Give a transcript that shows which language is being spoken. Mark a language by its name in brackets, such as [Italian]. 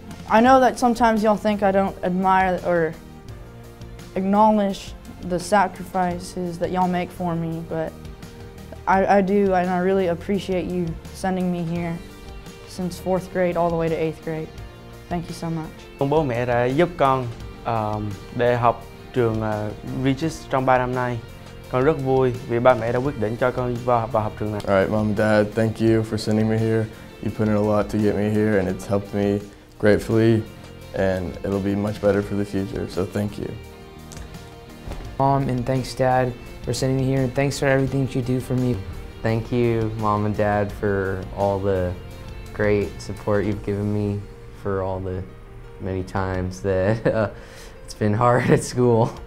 [English] I know that sometimes y'all think I don't admire or acknowledge the sacrifices that y'all make for me, but I do, and I really appreciate you sending me here since 4th grade all the way to 8th grade. Thank you so much. [Vietnamese] Bố mẹ đã giúp con để học trường Regis trong 3 năm nay. Con rất vui vì ba mẹ đã quyết định cho con vào học trường này. [English] All right, Mom and Dad, thank you for sending me here. You put in a lot to get me here, and it's helped me gratefully, and it'll be much better for the future, so thank you. Mom, and thanks, Dad, for sending me here, and thanks for everything that you do for me. Thank you, Mom and Dad, for all the great support you've given me for all the many times that it's been hard at school.